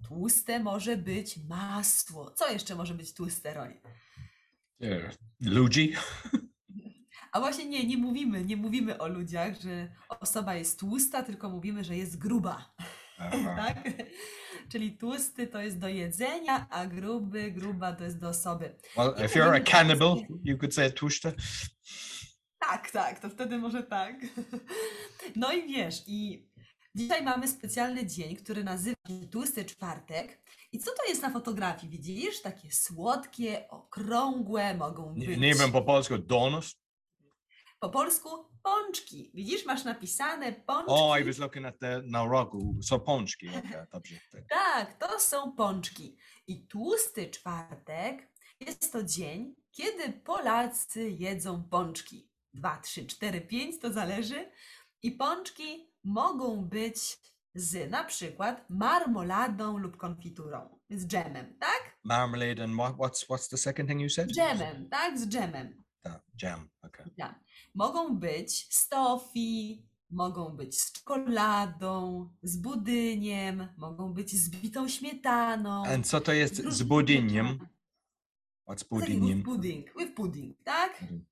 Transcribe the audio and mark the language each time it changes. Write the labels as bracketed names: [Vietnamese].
[Polish] Tłuste może być masło. Co jeszcze może być tłuste, Roy? Ludzi. A właśnie nie mówimy o ludziach, że osoba jest tłusta, tylko mówimy, że jest gruba. Tak? Czyli tłusty to jest do jedzenia, a gruby, gruba to jest do osoby. [English] Well, I if you're a cannibal, you could say tłuste. [Polish] Tak, tak, to wtedy może tak. No i wiesz, i dzisiaj mamy specjalny dzień, który nazywa się Tłusty Czwartek. I co to jest na fotografii, widzisz? Takie słodkie, okrągłe mogą być. Nie wiem po polsku, donos? Po polsku pączki. Widzisz, masz napisane pączki. [English] Oh, I was looking at the, [Polish] na rogu. [English] So pączki. [Polish] Tak, to są pączki. I tłusty czwartek jest to dzień, kiedy Polacy jedzą pączki. 2, 3, 4, 5, to zależy. I pączki mogą być z na przykład marmoladą lub konfiturą. Z dżemem, tak? [English] Marmalade and what's the second thing you said? [Polish] Z dżemem, tak? Z dżemem. Tak, [English] jam, [Polish] okej. [English] Okay. [Polish] Mogą być z toffee, mogą być z czekoladą, z budyniem, mogą być z bitą śmietaną. A co to jest z budyniem? [English] What's budyniem? With pudding, tak?